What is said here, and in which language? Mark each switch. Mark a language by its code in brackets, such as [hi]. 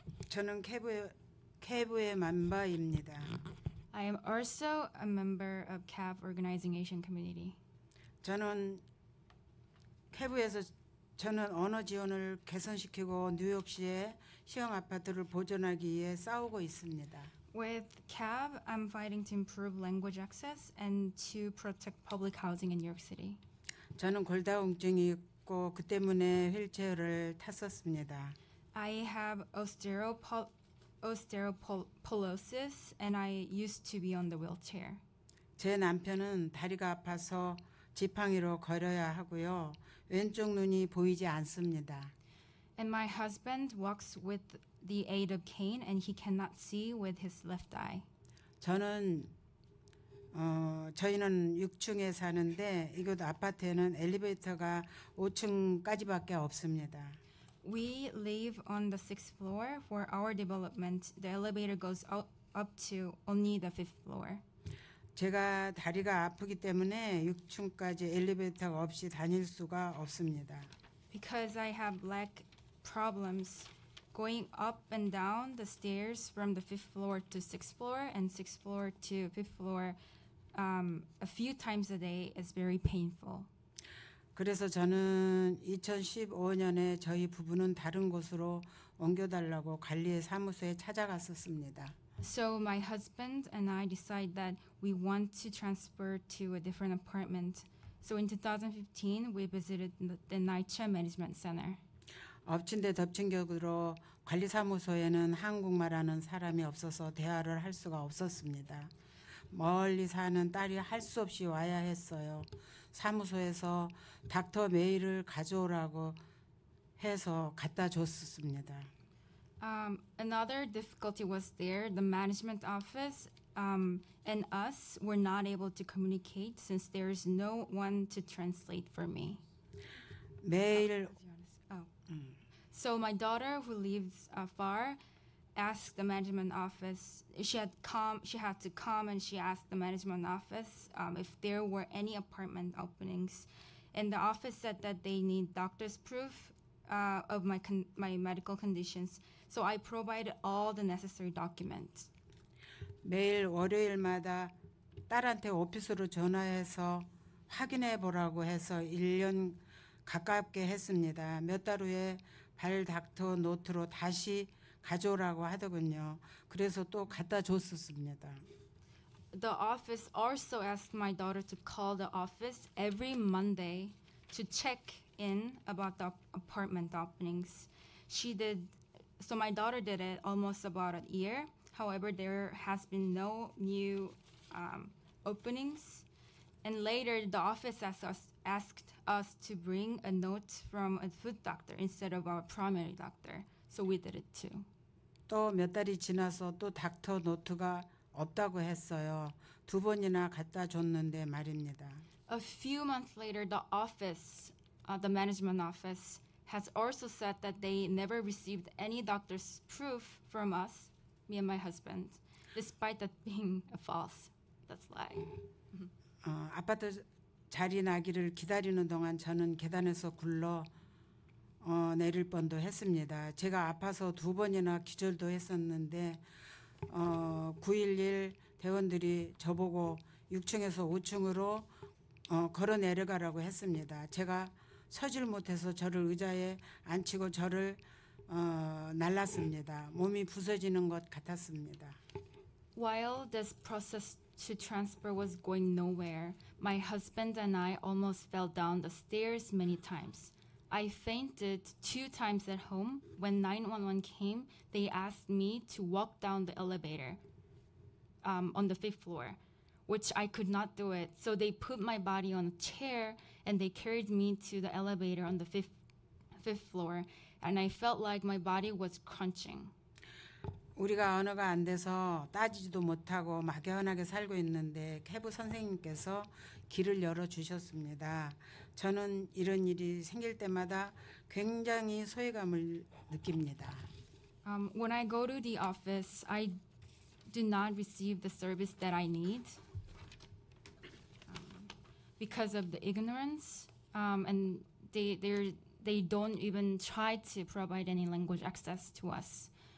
[ko] 저는 CAV의 멤버입니다. [en] I am also a member of CAV Organizing Asian Community. [ko] 저는 CAV에서 저는 언어 지원을 개선시키고 뉴욕시의 시형 아파트를 보존하기 위해 싸우고 있습니다. [en] With CAV, I'm fighting to improve language access and to protect public housing in New York City. [ko] 저는 골다공증이 있고 그 때문에 휠체어를 탔었습니다. [en] I have osteoporosis and I used to be on the wheelchair. [ko] 제 남편은 다리가 아파서 지팡이로 걸어야 하고요. 왼쪽 눈이 보이지 않습니다. [en] And my husband walks with the aid of cane, and he cannot see with his left eye. [ko] 저는 저희는 6층에 사는데 이곳 아파트에는 엘리베이터가 5층까지밖에 없습니다. [en] We live on the 6th floor. For our development, the elevator goes up to only the 5th floor. [ko] 제가 다리가 아프기 때문에 6층까지 엘리베이터가 없이 다닐 수가 없습니다. [en] Because I have leg problems, going up and down the stairs from the 5th floor to 6th floor and 6th floor to 5th floor a few times a day is very painful. [ko] 그래서 저는 2015년에 저희 부부는 다른 곳으로 옮겨달라고 관리의 사무소에 찾아갔었습니다. [en] So my husband and I decide that we want to transfer to a different apartment. So in 2015, we visited the NYCC Management Center. [ko] 엎친 데 덮친 격으로 관리사무소에는 한국말하는 사람이 없어서 대화를 할 수가 없었습니다. 멀리 사는 딸이 할 수 없이 와야 했어요. 사무소에서 닥터 메일을 가져오라고 해서 갖다 줬었습니다. [en] Another difficulty was there. The management office and us were not able to communicate since there is no one to translate for me. [ko] 메일 [en] So my daughter, who lives far, asked the management office. She had to come, and she asked the management office if there were any apartment openings. And the office said that they need doctor's proof of my medical conditions. So I provided all the necessary documents. [ko] 매일 월요일마다 딸한테 오피스로 전화해서 확인해 보라고 해서 1년 가깝게 했습니다. 몇 달 후에 발 닥터 노트로 다시 가져오라고 하더군요. 그래서 또 갖다 줬었습니다. [en] The office also asked my daughter to call the office every Monday to check in about the apartment openings. She did, so my daughter did it almost about a year. However, there has been no new openings. And later, the office asked us to bring a note from a food doctor instead of our primary doctor. So we did it too. [ko] 또 몇 달이 지나서 또 닥터 노트가 없다고 했어요. 두 번이나 갖다 줬는데 말입니다. [en] A few months later, the office, the management office, has also said that they never received any doctor's proof from us, me and my husband, despite that being a false. That's a lie. [ko] 아파트 자리 나기를 기다리는 동안 저는 계단에서 굴러 내릴 뻔도 했습니다. 제가 아파서 두 번이나 기절도 했었는데 911 대원들이 저보고 6층에서 5층으로 걸어 내려가라고 했습니다. 제가 서질 못해서 저를 의자에 앉히고 저를 날랐습니다. 몸이 부서지는 것 같았습니다. [en] While this process to transfer was going nowhere, my husband and I almost fell down the stairs many times. I fainted two times at home. When 911 came, they asked me to walk down the elevator on the fifth floor, which I could not do it. So they put my body on a chair and they carried me to the elevator on the fifth floor, and I felt like my body was crunching. [ko] 우리가 언어가 안 돼서 따지지도 못하고 막연하게 살고 있는데 캐브 선생님께서 길을 열어주셨습니다. 저는 이런 일이 생길 때마다 굉장히 소외감을 느낍니다. [en] When I go to the office, I do not receive the service that I need because of the ignorance, and they don't even try to provide any language access to us.